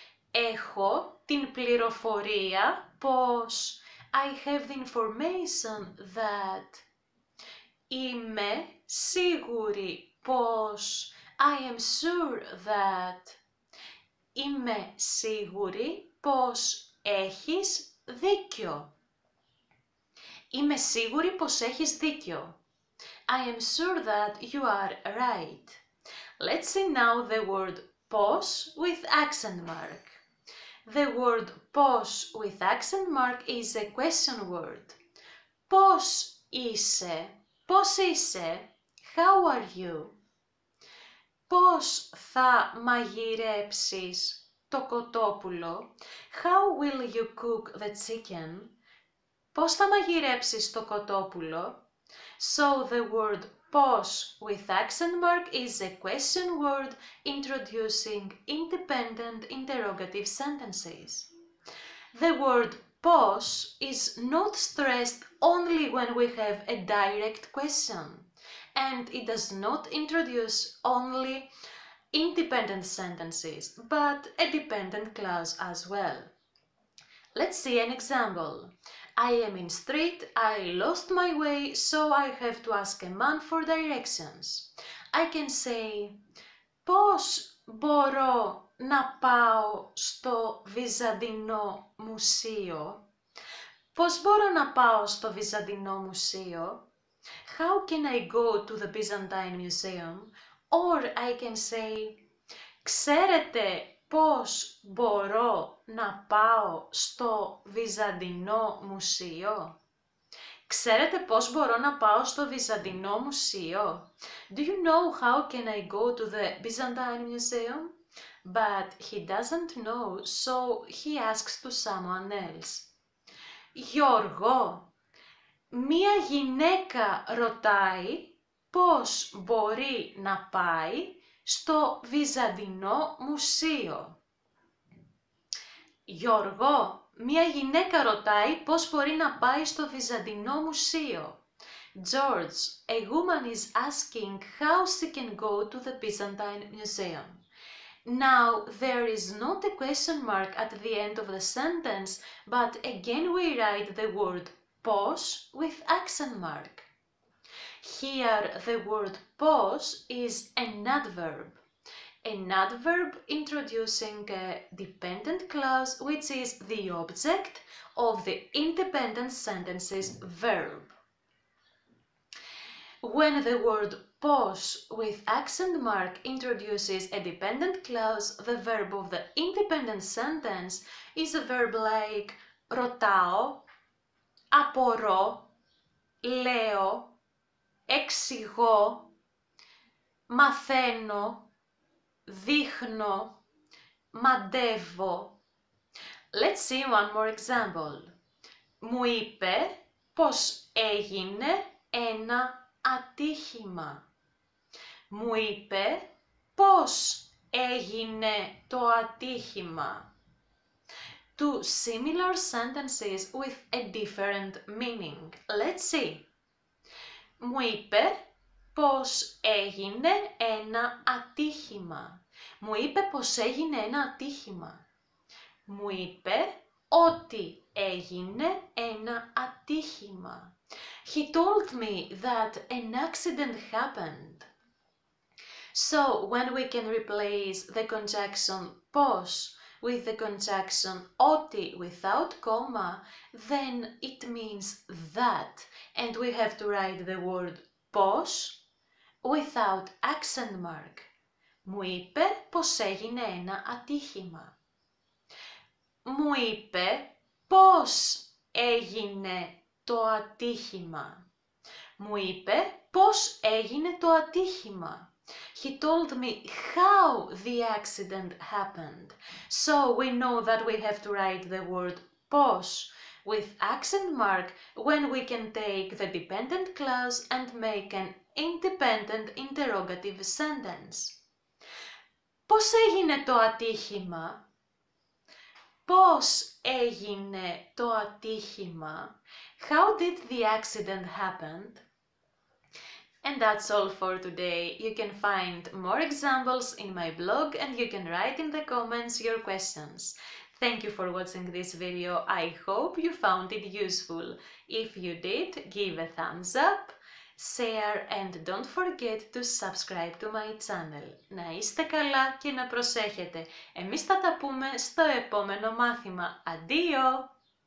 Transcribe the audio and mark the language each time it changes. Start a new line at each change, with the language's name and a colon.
Greek: έχω την πληροφορία πως,
English: I have the information that,
Greek: είμαι σίγουρη πως,
English: I am sure that,
Greek: είμαι σίγουρη πως έχεις δίκιο. Είμαι σίγουρη πως έχεις δίκιο.
English: I am sure that you are right. Let's see now the word πως with accent mark. The word πως with accent mark is a question word.
Greek: Πως είσαι, πως είσαι,
English: how are you?
Greek: Πως θα μαγειρέψεις το κοτόπουλο,
English: how will you cook the chicken?
Greek: Πως θα μαγειρέψεις το κοτόπουλο?
English: So the word πως with accent mark is a question word introducing independent interrogative sentences. The word πως is not stressed only when we have a direct question, and it does not introduce only independent sentences, but a dependent clause as well. Let's see an example. I am in street, I lost my way, so I have to ask a man for directions. I can say,
Greek: πώς μπορώ να πάω στο Βυζαντινό Μουσείο? Πώς μπορώ να πάω στο Βυζαντινό Μουσείο?
English: How can I go to the Byzantine Museum? Or I can say,
Greek: ξέρετε πώς μπορώ να πάω στο Βυζαντινό Μουσείο? Ξέρετε πώς μπορώ να πάω στο Βυζαντινό Μουσείο?
English: Do you know how can I go to the Byzantine Museum? But he doesn't know, so he asks to someone else.
Greek: Γιώργο, μία γυναίκα ρωτάει πώς μπορεί να πάει στο Βυζαντινό Μουσείο. Γιώργο, μία γυναίκα ρωτάει πώς μπορεί να πάει στο Βυζαντινό Μουσείο.
English: George, a woman is asking how she can go to the Byzantine Museum. Now, there is not a question mark at the end of the sentence, but again we write the word πώς with accent mark. Here, the word πώς is an adverb. An adverb introducing a dependent clause, which is the object of the independent sentence's verb. When the word πώς with accent mark introduces a dependent clause, the verb of the independent sentence is a verb like
Greek: ρωτάω, απορώ, λέω, εξηγώ, μαθαίνω, δείχνω, μαντεύω.
English: Let's see one more example.
Greek: Μου είπε πως έγινε ένα ατύχημα. Μου είπε πως έγινε το ατύχημα.
English: Two similar sentences with a different meaning. Let's see.
Greek: Μου είπε πως έγινε ένα ατύχημα. Μου είπε πως έγινε ένα ατύχημα. Μου είπε ότι έγινε ένα ατύχημα.
English: He told me that an accident happened. So, when we can replace the conjunction πως with the conjunction ότι without comma, then it means that. And we have to write the word πως without accent mark.
Greek: Μου είπε πως έγινε ένα ατύχημα. Μου είπε πως έγινε το ατύχημα. Μου είπε πως έγινε το ατύχημα.
English: He told me how the accident happened. So we know that we have to write the word πως with accent mark when we can take the dependent clause and make an independent interrogative sentence.
Greek: Πώς έγινε το ατύχημα? Πώς έγινε το ατύχημα?
English: How did the accident happen? And that's all for today. You can find more examples in my blog and you can write in the comments your questions. Thank you for watching this video. I hope you found it useful. If you did, give a thumbs up, share and don't forget to subscribe to my channel.
Greek: Να είστε καλά και να προσέχετε. Εμείς θα τα πούμε στο επόμενο μάθημα. Αντίο!